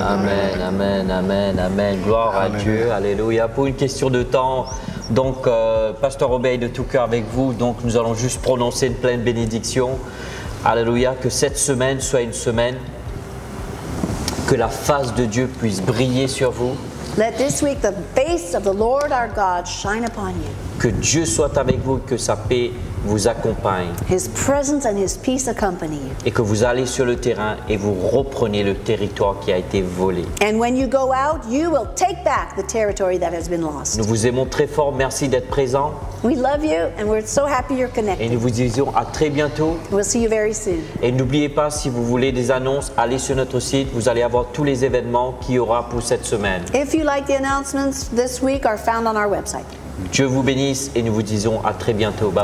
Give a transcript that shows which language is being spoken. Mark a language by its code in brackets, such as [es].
[fr] Amen. Amen. Amen. Amen, amen, amen. Gloire à Dieu. Alléluia. Pour une question de temps, donc, Pasteur Obey de tout cœur avec vous, donc nous allons juste prononcer une pleine bénédiction. Alléluia. Que cette semaine soit une semaine que la face de Dieu puisse briller sur vous. [en] Let this week the face of the Lord our God shine upon you. [fr] Que Dieu soit avec vous, que sa paix vous accompagne. [en] His presence and his peace accompany you. [fr] Et que vous allez sur le terrain et vous reprenez le territoire qui a été volé. [en] And when you go out, you will take back the territory that has been lost. [fr] Nous vous aimons très fort, merci d'être présent. [en] We love you and we're so happy you're connected. [fr] Et nous vous disons à très bientôt. [en] We'll see you very soon. [fr] Et n'oubliez pas, si vous voulez des annonces, allez sur notre site, vous allez avoir tous les événements qu'il y aura pour cette semaine. [en] If you like the announcements this week are found on our website. [fr] Dieu vous bénisse et nous vous disons à très bientôt. Bye